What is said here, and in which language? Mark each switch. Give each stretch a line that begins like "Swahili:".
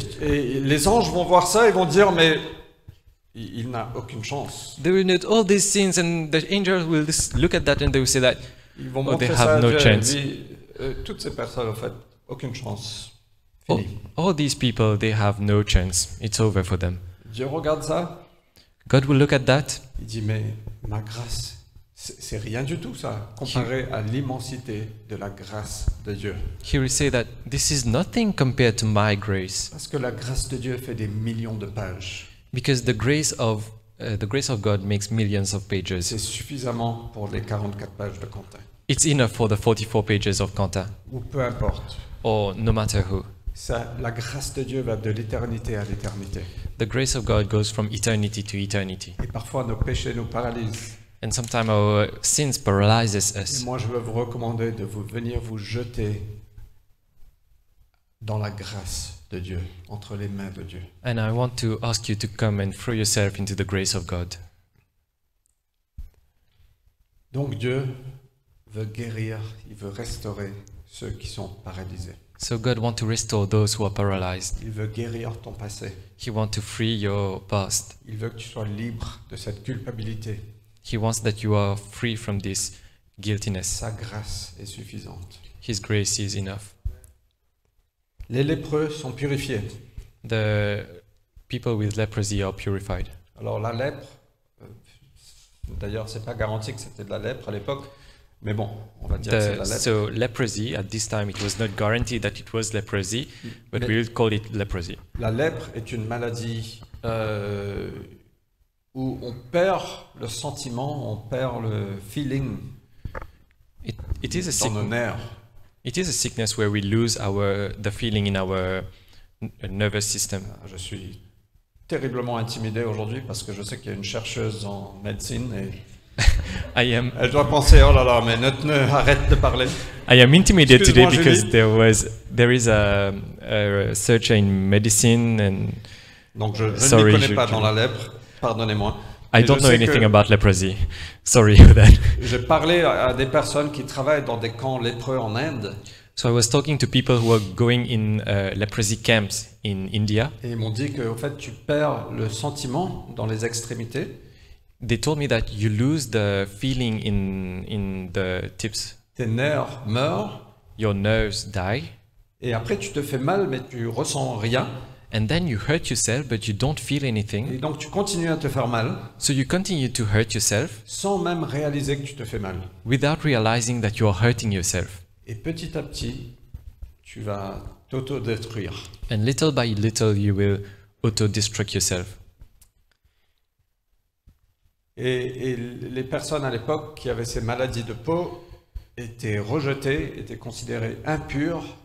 French: Et les anges vont voir ça et vont dire, mais il n'a aucune chance.
English: They will note all these sins and the angels will look at that and they will say that.
French: Ils vont montrer ça à Dieu.
English: No chance.
French: Et toutes ces personnes, en fait, aucune chance.
English: All these people, they have no chance. It's over for them.
French: Dieu regarde ça.
English: God will look at that.
French: Il dit, mais ma grâce, c'est rien du tout ça, comparé à l'immensité de la grâce de Dieu.
English: He will say that this is nothing compared to my grace.
French: Parce que la grâce de Dieu fait des millions de pages.
English: Because the grace of God makes millions of pages.
French: C'est suffisamment pour les 44 pages de Quentin.
English: It's enough for the 44 pages of Quentin.
French: Ou peu importe.
English: Or no matter who.
French: Ça, la grâce de Dieu va de l'éternité à l'éternité.
English: The grace of God goes from eternity to eternity.
French: Et parfois nos péchés nous paralysent.
English: And sometimes our sins paralyzes us.
French: Et moi je veux vous recommander de vous venir vous jeter dans la grâce de Dieu, entre les mains de Dieu.
English: And I want to ask you to come and throw yourself into the grace of God.
French: Donc Dieu veut guérir, il veut restaurer ceux qui sont paralysés.
English: So God wants to restore those who are paralyzed.
French: Il veut guérir ton passé.
English: He wants to free your past.
French: Il veut que tu sois libre de cette culpabilité.
English: He wants that you are free from this guiltiness.
French: Sa grâce est suffisante.
English: His grace is enough.
French: Les lépreux sont purifiés.
English: The people with leprosy are purified.
French: Alors la lèpre, d'ailleurs c'est pas garanti que c'était de la lèpre à l'époque. Mais bon, on va dire que c'est la lèpre.
English: So leprosy, at this time, it was not guaranteed that it was leprosy, but we will call it leprosy.
French: La lèpre est une maladie où on perd le sentiment, on perd le feeling.
English: It is a sickness. It is a sickness where we lose the feeling in our nervous system.
French: Je suis terriblement intimidé aujourd'hui parce que je sais qu'il y a une chercheuse en médecine et elle doit penser, oh là là, mais ne arrête de parler.
English: I am intimidated.
French: Excuse-moi,
English: today because Julie. there is a researcher in medicine and
French: donc je
English: sorry,
French: ne m'y connais pas dans la lèpre, pardonnez-moi.
English: I don't know anything about leprosy. Sorry for that.
French: J'ai parlé à des personnes qui travaillent dans des camps lépreux en Inde.
English: So I was talking to people who are going in leprosy camps in India.
French: Et ils m'ont dit que en fait tu perds le sentiment dans les extrémités.
English: They told me that you lose the feeling in the tips.
French: Tes nerfs meurent.
English: Your nerves die.
French: Et après tu te fais mal mais tu ressens rien.
English: And then you hurt yourself but you don't feel anything.
French: Et donc tu continues à te faire mal.
English: So you continue to hurt yourself.
French: Sans même réaliser que tu te fais mal.
English: Without realizing that you are hurting yourself.
French: Et petit à petit tu vas t'auto-détruire.
English: And little by little you will auto-destruct yourself.
French: Et les personnes à l'époque qui avaient ces maladies de peau étaient rejetées, étaient considérées impures.